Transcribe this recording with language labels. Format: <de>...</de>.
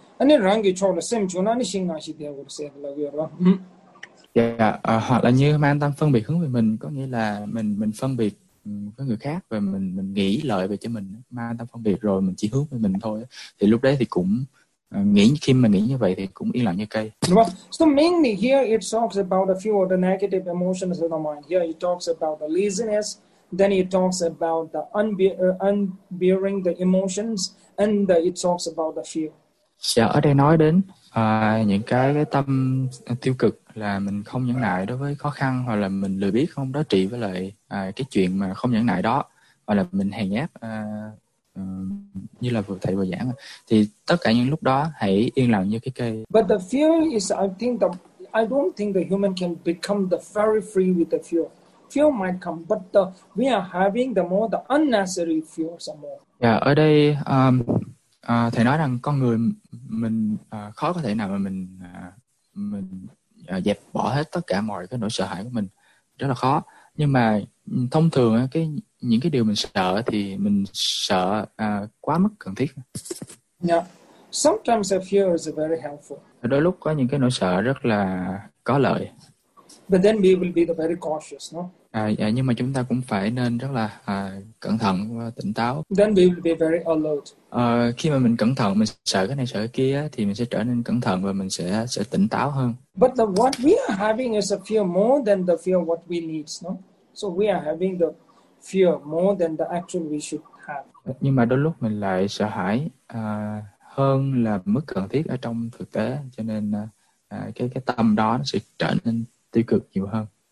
<vi>Anh ấy rằng cái chỗ là xem chỗ nào anh sinh ra chỉ để vừa rồi, thứ sáu rồi. Dạ, hoặc là như mang tâm phân biệt hướng về mình, có nghĩa là mình phân biệt với người khác và mình nghĩ lợi về cho mình, ma tâm phân biệt rồi mình chỉ hướng về mình thôi, thì lúc đấy thì cũng nghĩ, khi mà nghĩ như vậy thì cũng yên lặng như cây.</vi> <en>So mainly here it talks about a few of the negative emotions of the mind. Here it talks about the laziness, then it talks about the unbearing the emotions, and the, it talks about the fear.</en> <vi>Sẽ ở đây nói đến những cái tâm tiêu cực là mình không nhẫn nại đối với khó khăn, hoặc là mình lười biếng không đối trị với lại cái chuyện mà không nhẫn nại đó, hoặc là mình hèn nhát như là vừa thầy vừa giảng, thì tất cả những lúc đó hãy yên lặng như cái cây.</vi> <en>But the fear is, I don't think the human can become the very free with the fear. Fear might come, but the, we are having the more the unnecessary fear some more.</en> <vi>Yeah, ở đây thầy nói rằng con người mình khó có thể nào mà mình dẹp bỏ hết tất cả mọi cái nỗi sợ hãi của mình, rất là khó. Nhưng mà thông thường cái những cái điều mình sợ thì mình sợ quá mức cần thiết.</vi> <en>Yeah. Sometimes the fear is very helpful.</en> <vi>Đôi lúc có những cái nỗi sợ rất là có lợi.</vi> <en>But then we will be the very cautious, no?</en> <vi>Nhưng mà chúng ta cũng phải nên rất là cẩn thận và tỉnh táo.</vi> <en>Then we will be very alert.</en> <vi>Khi mà mình cẩn thận, mình sợ cái này sợ cái kia thì mình sẽ trở nên cẩn thận và mình sẽ tỉnh táo hơn.</vi> <en>But the what we are having is a fear more than the fear what we need, no? So we are having the fear more than the actual we should have.</en> <vi>Nhưng mà đôi lúc mình lại sợ hãi hơn là mức cần thiết ở trong thực tế, cho nên cái tâm đó nó sẽ trở nên tiêu cực nhiều hơn.</vi>